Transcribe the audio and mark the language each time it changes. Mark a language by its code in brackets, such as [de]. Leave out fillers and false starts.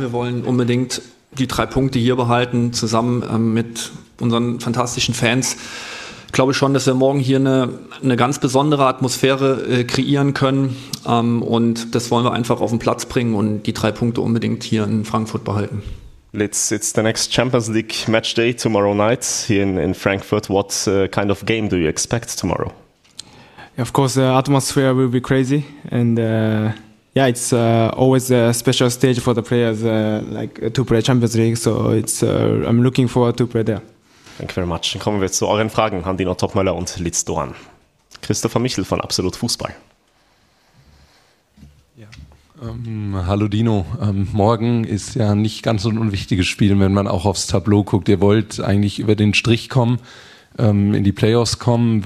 [de] Wir wollen unbedingt die drei Punkte hier behalten, zusammen mit unseren fantastischen Fans. Glaube ich schon, dass wir morgen hier eine ganz besondere Atmosphäre kreieren können. Und das wollen wir einfach auf den Platz bringen und die drei Punkte unbedingt hier in Frankfurt behalten. [en] It's the next Champions League match day tomorrow night here in Frankfurt. What kind of game do you expect tomorrow? Of course, the atmosphere will be crazy. And yeah, it's always a special stage for the players to play Champions League. So it's I'm looking forward to play there. Thank you very much. [de] Dann kommen wir zu euren Fragen an Dino Toppmöller und Litz Doan. Christopher Michel von Absolut Fußball. Ja. Hallo Dino, morgen ist ja nicht ganz so ein unwichtiges Spiel, wenn man auch aufs Tableau guckt. Ihr wollt eigentlich über den Strich kommen, in die Playoffs kommen.